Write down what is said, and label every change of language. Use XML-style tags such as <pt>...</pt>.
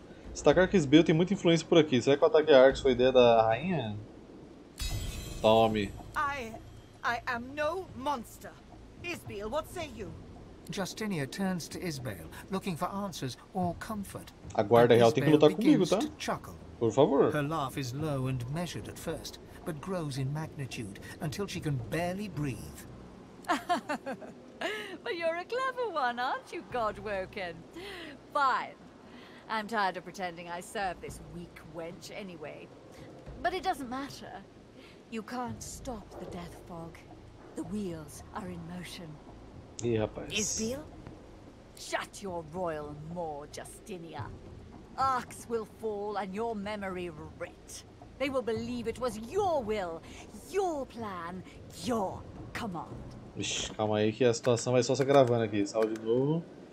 <pt>Destacar que Sbeil tem muita influência por aqui. Será que o ataque a Arx foi ideia da rainha? Tome.</pt> <en>I am no monster. Sbeil, what say you? Justinia turns to Sbeil, looking for answers or comfort.</en> <pt>A guarda real tem que lutar comigo, tá? Por favor.</pt> <en>Her laugh is low and measured at first, but grows in magnitude until she can barely breathe. But you're a clever one, aren't you, Godwoken? Fine. I'm tired of pretending I serve this weak wench anyway. But it doesn't matter. You can't stop the death fog. The wheels are in motion. Yeah, Sbeil? Shut your royal maw, Justinia. Arcs will fall and your memory writ. They will believe it was your will, your plan, your command.</en> <pt>Ixi, calma aí que a situação vai só se agravando aqui. Salve de novo.</pt>